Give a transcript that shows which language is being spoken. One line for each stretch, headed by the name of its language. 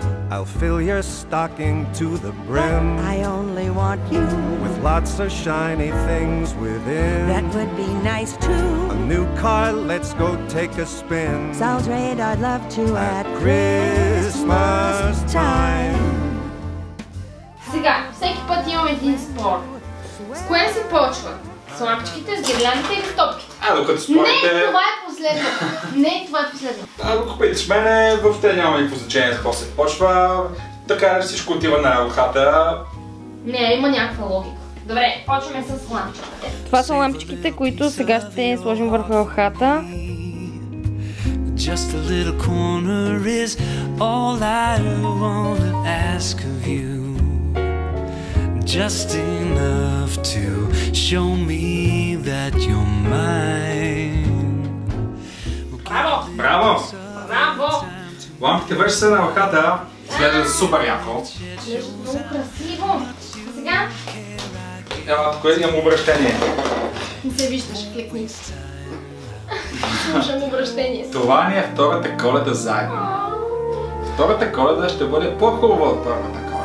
English: I'll fill your stocking to the brim. But I only want you. With lots of shiny things within. That would be nice too. A new car, let's go take a spin. Sounds great, I'd love to at Christmas time.
Bulgarian: Сега, всеки път имам един спор. С кое се почва? С лампичките, с гирляндите или с топките? А, докато спорите... Не, това е последно. Ако питаш мене, въобще няма никакво значение с какво се почва. Така ли всичко отива на елхата? Не, има някаква логика. Добре, почваме с лампичките. Това са лампичките, които сега ще сложим върху елхата.
English: Just a little corner is all I wanna ask of you. Just enough to show me that you're mine.
Bulgarian: Браво! Браво! Браво! Лампите върши се на елхата, следва супер яко. Много красиво! Сега? Кое имам обръщение? Не се виждаш, клекни. Слушам обръщение. Това ни е втората Коледа заедно. Втората Коледа ще бъде по-хубава от първата Коледа.